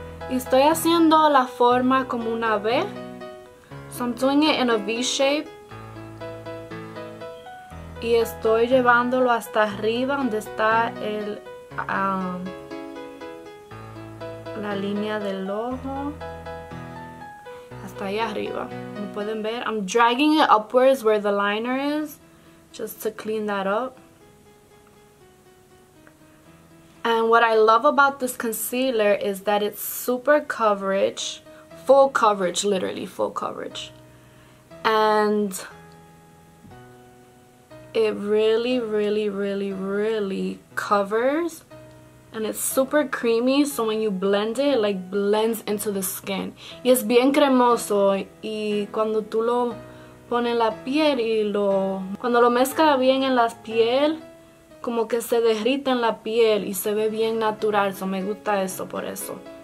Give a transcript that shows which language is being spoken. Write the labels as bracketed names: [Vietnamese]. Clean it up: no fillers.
[Spanish] Y estoy haciendo la forma como una V. [English] So I'm doing it in a V shape. [Spanish] Y estoy llevándolo hasta arriba donde está el la línea del ojo. Hasta ahí arriba. Como pueden ver, [English] I'm dragging it upwards where the liner is. Just to clean that up. And what I love about this concealer is that it's super coverage, full coverage, literally full coverage. And it really, really, really, really covers and it's super creamy, so when you blend it, like blends into the skin. [Spanish] Y es bien cremoso y cuando tú lo pones en la piel y lo cuando lo mezcla bien en la piel, como que se derrite en la piel y se ve bien natural, so me gusta eso por eso.